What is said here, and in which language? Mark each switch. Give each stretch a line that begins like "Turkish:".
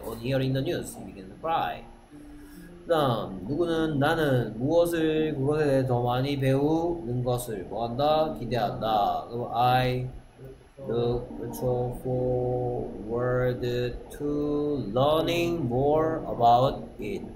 English: On hearing the news, he began to cry.
Korean: 다음, 누구는 나는 무엇을 그것에 대해 더 많이 배우는 것을 뭐한다? 기대한다.
English: So I look forward to learning more about it.